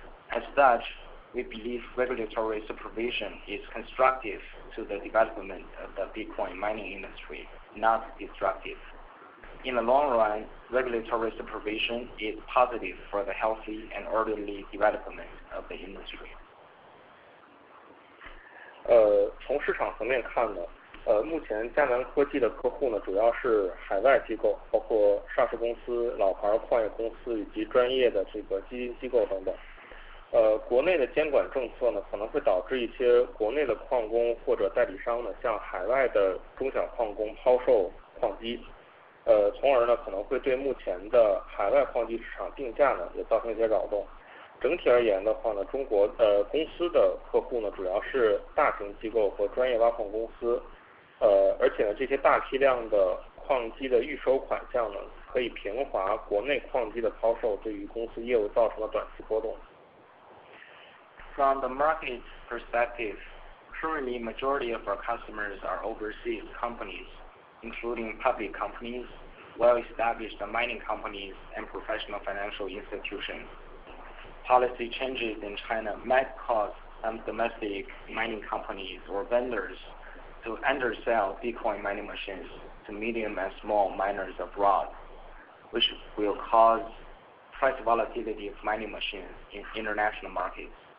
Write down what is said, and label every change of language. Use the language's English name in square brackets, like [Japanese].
[English] As such, we believe regulatory supervision is constructive to the development of the Bitcoin mining industry, not destructive. In the long run, regulatory supervision is positive for the healthy and orderly development of the industry. [Chinese] 从市场层面看呢，目前加南科技的客户呢，主要是海外机构，包括上市公司、老牌矿业公司以及专业的这个基金机构等等。国内的监管政策呢，可能会导致一些国内的矿工或者代理商呢，向海外的中小矿工抛售矿机。从而呢，可能会对目前的海外矿机市场定价呢，也造成一些扰动。整体而言的话呢，中国公司的客户呢，主要是大型机构和专业挖矿公司。而且呢，这些大批量的矿机的预收款项呢，可以平滑国内矿机的抛售，对于公司业务造成了短期波动。 [English] From the market perspective, currently majority of our customers are overseas companies. Including public companies, well-established mining companies, and professional financial institutions. Policy changes in China might cause some domestic mining companies or vendors to undersell Bitcoin mining machines to medium and small miners abroad, which will cause price volatility of mining machines in international markets.